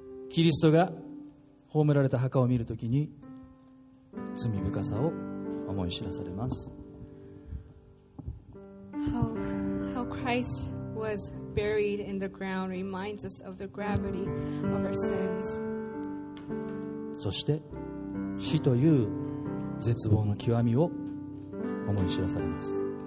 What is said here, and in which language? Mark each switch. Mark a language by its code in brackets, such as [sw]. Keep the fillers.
[ja] キリストが葬られた墓を見るときに罪深さを思い知らされます [en] how, how Christ was buried in the ground reminds us of the gravity of our sins [ja] そして死という絶望の極みを思い知らされます。